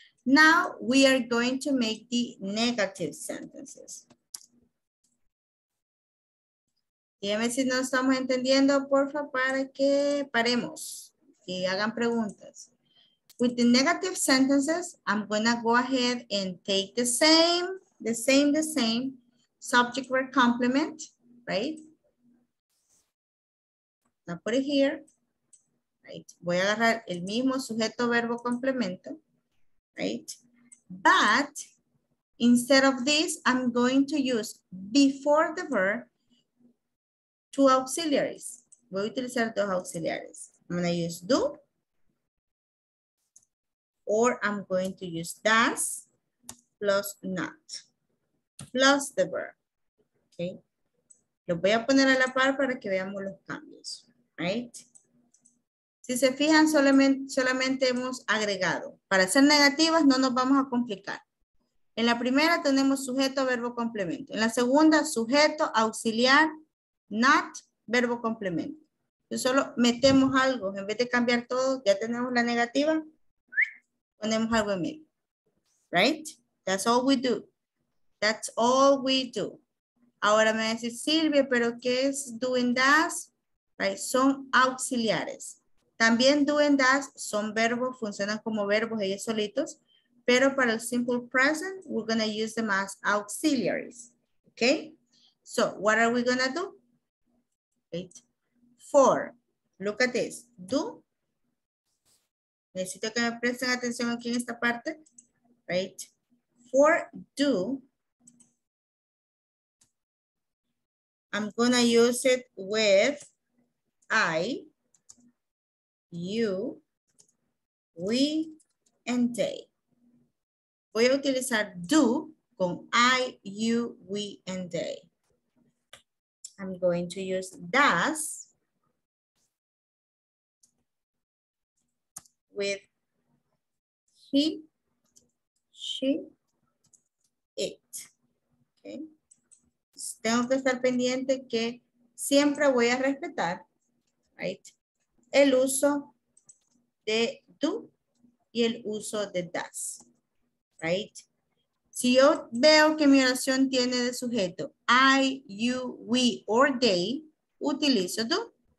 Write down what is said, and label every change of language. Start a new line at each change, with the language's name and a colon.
English: Now we are going to make the negative sentences.
Spanish: Dime si no estamos entendiendo, porfa, para que paremos y hagan preguntas.
English: With the negative sentences, I'm gonna go ahead and take the same subject verb complement, right? I'll put it here, right?
Spanish: Voy a agarrar el mismo sujeto verbo complemento, right?
English: But instead of this, I'm going to use before the verb two auxiliaries.
Spanish: Voy a utilizar dos auxiliares.
English: I'm gonna use do, or I'm going to use does plus not, plus the verb, okay?
Spanish: Los voy a poner a la par para que veamos los cambios, right? Si se fijan, solamente hemos agregado. Para ser negativas, no nos vamos a complicar. En la primera tenemos sujeto, verbo, complemento. En la segunda, sujeto, auxiliar, not, verbo, complemento. Entonces solo metemos algo, en vez de cambiar todo, ya tenemos la negativa, ponemos algo en medio, right?
English: That's all we do. That's all we do.
Spanish: Ahora me dice Silvia, pero ¿qué es doing does? Right? Son auxiliares. También doing does son verbos, funcionan como verbos ellos solitos, pero para el simple present,
English: we're gonna use them as auxiliaries, okay? So what are we gonna do? Right? Four, look at this, do.
Spanish: Necesito que me presten atención aquí en esta parte, right?
English: For do, I'm gonna use it with I, you, we, and they.
Spanish: Voy a utilizar do con I, you, we, and they.
English: I'm going to use does with he, she, it, okay?
Spanish: Tengo que estar pendiente que siempre voy a respetar, right, el uso de do y el uso de does, right? Si yo veo que mi oración tiene de sujeto I, you, we, or they, utilizo do.